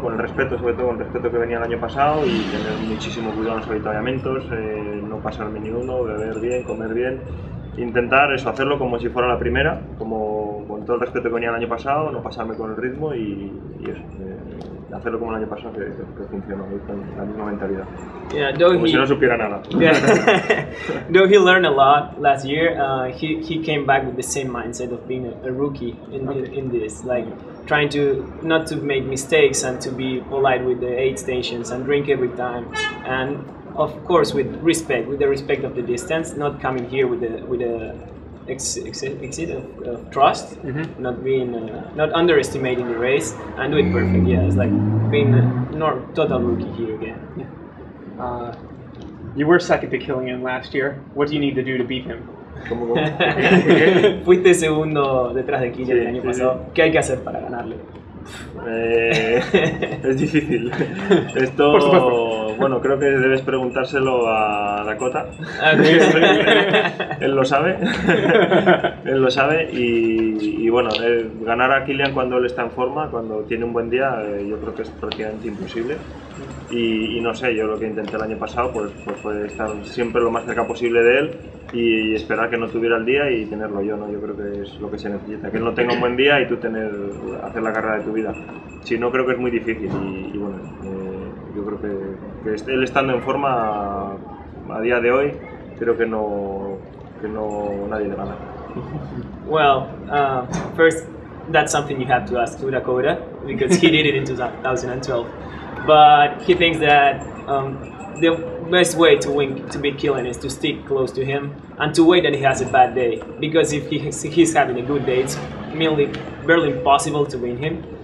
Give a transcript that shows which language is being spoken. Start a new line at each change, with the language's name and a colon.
Spanish: Con el respeto, sobre todo con el respeto que venía el año pasado, y tener muchísimo cuidado en los avituallamientos, no pasarme ni uno, beber bien, comer bien, intentar eso, hacerlo como si fuera la primera, como con todo el respeto que venía el año pasado, no pasarme con el ritmo y eso, hacerlo como el año pasado, que funcionó, con la misma mentalidad.
English: Yeah,
Spanish: como si no supiera nada.
English: Yeah. Though he learned a lot last year, he came back with the same mindset of being a rookie in this, like, trying to not to make mistakes and to be polite with the aid stations and drink every time, and of course with respect, with the respect of the distance, not coming here with a trust, not being not underestimating the race and do it perfect. Yeah, it's like being not total rookie here again. Yeah. You were second to Kilian last year. What do you need to do to beat him?
Spanish: ¿Cómo? Fuiste segundo detrás de Kilian el año pasado. Sí. ¿Qué hay que hacer para ganarle? Es difícil. Esto, bueno, creo que debes preguntárselo a Dakota.
English: Okay.
Spanish: Él lo sabe. Y bueno, ganar a Kilian cuando él está en forma, cuando tiene un buen día, yo creo que es prácticamente imposible. Y no sé, yo lo que intenté el año pasado pues fue estar siempre lo más cerca posible de él y esperar que no tuviera el día y tenerlo yo, ¿no? Yo creo que es lo que se necesita, que él no tenga un buen día y tú hacer la carrera de tu vida. Si no, creo que es muy difícil y bueno, yo creo que él estando en forma a día de hoy, creo que no nadie le gana.
English: Well, first, that's something you have to ask to Dakota, because he did it in 2012. But he thinks that the best way to beat Kilian is to stick close to him and to wait that he has a bad day. Because if he's having a good day, it's barely impossible to win him.